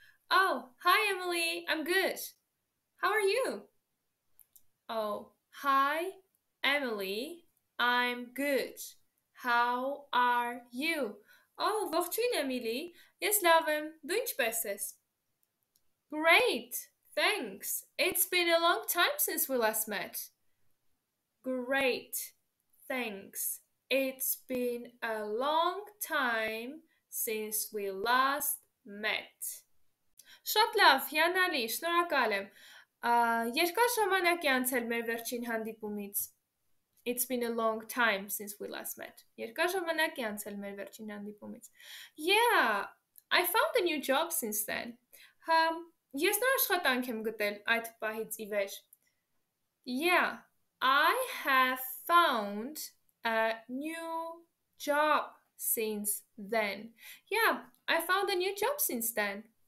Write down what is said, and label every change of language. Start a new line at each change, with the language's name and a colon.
English: Oh, hi Emily, I'm good. How are you? Oh, hi Emily, I'm good. How are you?
Armenian: Oh, ողջույն Emily, ես լավ եմ, դու ինչպես ես?
English: Great, thanks. It's been a long time since we last met. Great, thanks. It's been a long time since we last met.
Armenian: Շատ լավ, հիանալի, շնորհակալ եմ. Երկար ժամանակ է անցել մեր վերջին հանդիպումից.
English: It's been a long time since we last met.
Armenian: Երկար ժամանակ է անցել մեր վերջին հանդիպումից.
English: Yeah, I found a new job since then.
Armenian: Ես նոր աշխատանք եմ գտել այդ պահից ի վեր.
English: Yeah, I have found a new job since then. Yeah, I found a new job since then.